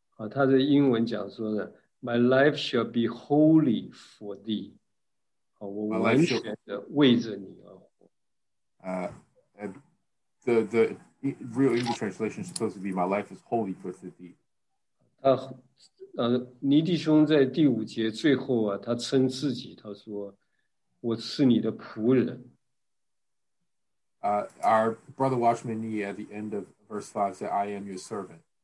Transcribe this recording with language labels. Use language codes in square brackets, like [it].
[zh] 他在英文讲说的, [en] My life shall be holy for thee. [zh] 我完全地为着你而活。 [en] The real English translation is supposed to be, My life is holy for thee. [zh] 尼弟兄在第五节最后啊, 他称自己, 他说, 我是你的仆人。 [en] Our brother Watchman Nee at the end of verse 5 said, I am your servant.